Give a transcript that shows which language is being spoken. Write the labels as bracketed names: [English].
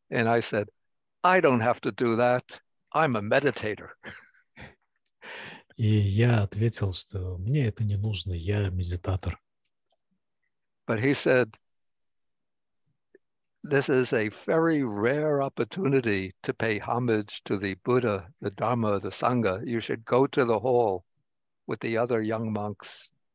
[English] And I said, I don't have to do that. I'm a meditator. [Russian] И я ответил, что мне это не нужно, я медитатор. [English] But he said, this is a very rare opportunity to pay homage to the Buddha, the Dharma, the Sangha. You should go to the hall with the other young monks.